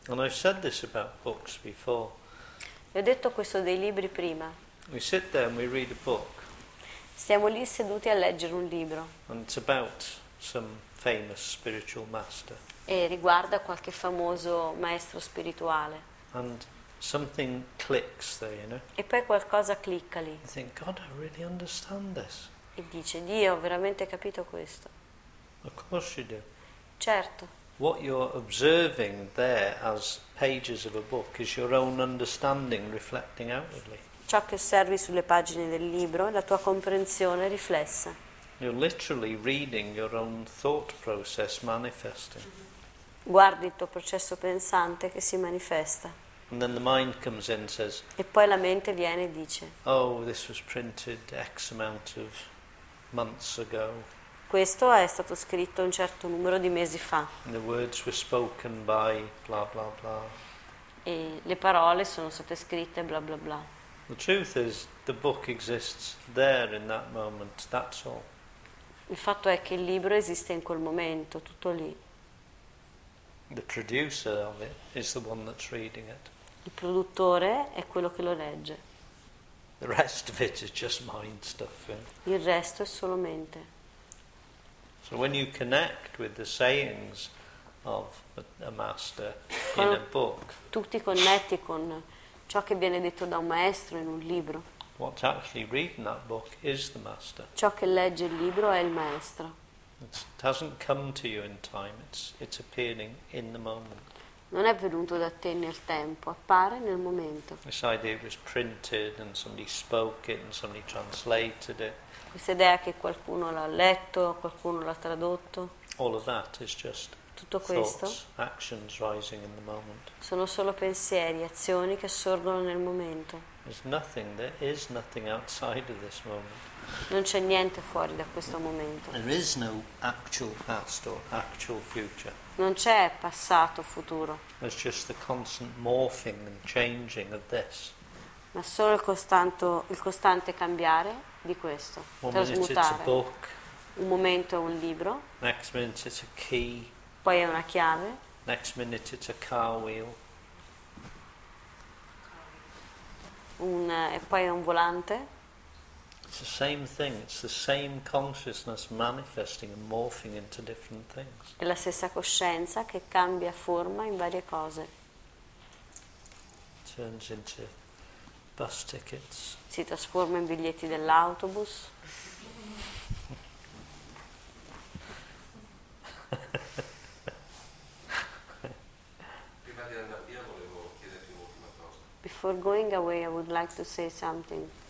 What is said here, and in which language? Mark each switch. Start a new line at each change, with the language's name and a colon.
English: And I've said this about books before.
Italian: E ho detto questo dei libri prima.
English: We sit there and we read a book.
Italian: Stiamo lì seduti a leggere un libro.
English: And it's about some famous spiritual master.
Italian: E riguarda qualche famoso maestro spirituale.
English: And something clicks there, you know?
Italian: E poi qualcosa clicca lì.
English: I think, God, I really understand this.
Italian: E dice, Dio, ho veramente capito questo.
English: Of course you do.
Italian: Certo.
English: What you're observing there as pages of a book is your own understanding reflecting outwardly.
Italian: Ciò che osservi sulle pagine del libro è la tua comprensione riflessa.
English: You're literally reading your own thought process manifesting.
Italian: Guardi il tuo processo pensante che si manifesta.
English: And then the mind comes in and says,
Italian: e poi la mente viene e dice,
English: oh, this was printed X amount of months ago.
Italian: Questo è stato scritto un certo numero di mesi fa.
English: And the words were spoken by blah blah blah.
Italian: E le parole sono state scritte bla bla bla.
English: The truth is the book exists there in that moment, that's all.
Italian: Il fatto è che il libro esiste in quel momento, tutto lì.
English: The producer of it is the one that's reading it.
Italian: Il produttore è quello che lo legge.
English: The rest of it is just mind stuff.
Italian: Il resto è solo mente.
English: So when you connect with the sayings of a master in a book,
Italian: tu ti connetti con ciò che viene detto da un maestro in un libro.
English: What's actually reading that book is the master.
Italian: Ciò che legge il libro è il maestro.
English: It hasn't come to you in time. It's appearing in the moment.
Italian: Non è venuto da te nel tempo, appare nel momento.
English: This idea was printed and somebody spoke it and somebody translated it.
Italian: Questa idea che qualcuno l'ha letto, qualcuno l'ha tradotto.
English: All of that is just
Italian: tutto questo
English: thoughts, actions rising in the moment.
Italian: Sono solo pensieri, azioni che sorgono nel momento.
English: There's nothing, there is nothing outside of this moment.
Italian: Non c'è niente fuori da questo momento.
English: There is no actual past or actual future.
Italian: Non c'è passato o futuro.
English: It's just the constant morphing and changing of this.
Italian: Ma solo il costante cambiare di questo.
English: One minute it's a book.
Italian: Un momento è un libro.
English: Next minute it's a key.
Italian: Poi è una chiave.
English: Next minute it's a car wheel.
Italian: E poi è un volante.
English: It's the same thing, it's the same consciousness manifesting and morphing into different things.
Italian: È la stessa coscienza che cambia forma in varie cose.
English: Turns into bus tickets.
Italian: Si trasforma in biglietti dell'autobus. Prima di andare via volevo chiederti un'ultima cosa.
English: Before going away I would like to say something.